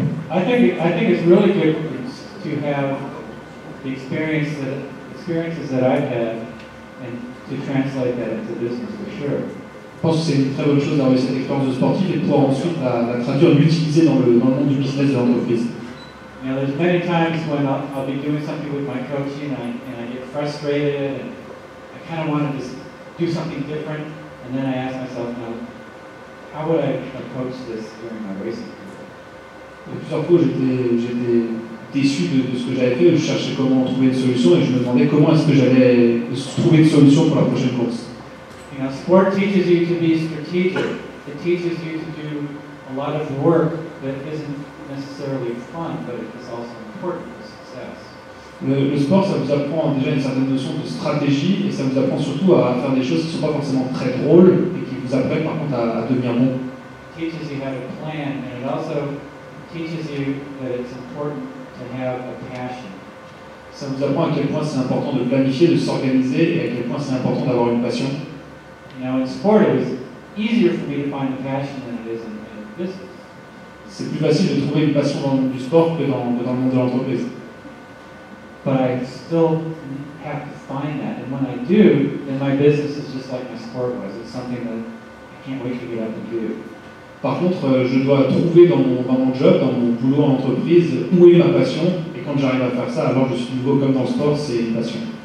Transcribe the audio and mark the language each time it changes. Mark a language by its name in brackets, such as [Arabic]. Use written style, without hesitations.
[English] I think it's really good to have the experiences that I've had and to translate that into business for sure. [French] Je pense que c'est une très bonne chose d'avoir cette expérience de sportif et de pouvoir ensuite la traduire, l'utiliser dans le monde du business de l'entreprise. [English] Now there's many times when I'll be doing something with my coaching and I get frustrated and I kind of want to just do something different and then I ask myself, now, how would I approach this during my racing? [French] Et plusieurs fois, j'étais déçu de ce que j'avais fait, je cherchais comment trouver une solution et je me demandais comment est-ce que j'allais trouver une solution pour la prochaine course. [English] You know, sport teaches you to be strategic. It teaches you to do a lot of work that isn't necessarily fun, but it's also important for success. [French] Le sport, ça vous apprend déjà une certaine notion de stratégie et ça vous apprend surtout à faire des choses qui ne sont pas forcément très drôles et qui vous apprennent par contre à devenir bon. [English] It teaches you how to plan and it also teaches you that it's important to have a passion. [French] Ça vous apprend à quel point c'est important de planifier, de s'organiser et à quel point c'est important d'avoir une passion. [English] Now in sport, it was easier for me to find a passion than it is in business. [French] C'est plus facile de trouver une passion dans le monde du sport que dans le monde de l'entreprise. [English] But I still have to find that, and when I do, then my business is just like my sport was. It's something that I can't wait to get up and do. [French] Par contre, je dois trouver dans mon job, dans mon boulot en entreprise, où est ma passion, et quand j'arrive à faire ça, alors je suis nouveau comme dans le sport, c'est une passion.